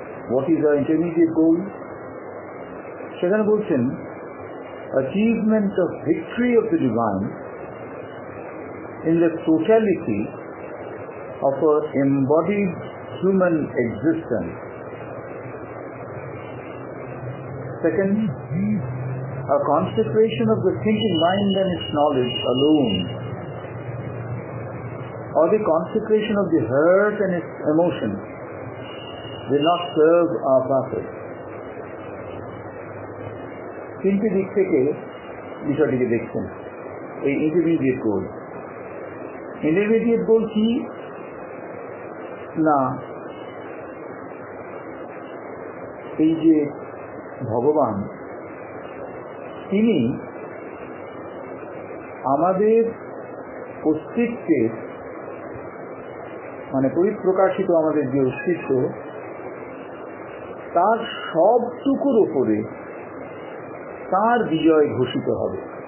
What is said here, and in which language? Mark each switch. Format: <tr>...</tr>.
<en>What is our intermediate goal?</en> <bn>সেখানে বলছেন</bn> <en>Achievement of victory of the divine in the totality of a embodied human existence. Second, a concentration of the thinking mind and its knowledge alone or the consecration of the heart and its emotions will not serve our purpose.</en> <bn>তিনটি দিক থেকে বিষয়টিকে দেখছেন এই intermediate গোল। Intermediate গোল কি না, এই যে ভগবান তিনি আমাদের অস্তিত্বে মানে পরিপ্রকাশিত আমাদের যে অস্তিত্ব তার সবটুকুর উপরে তার বিজয় ঘোষিত হবে।</bn>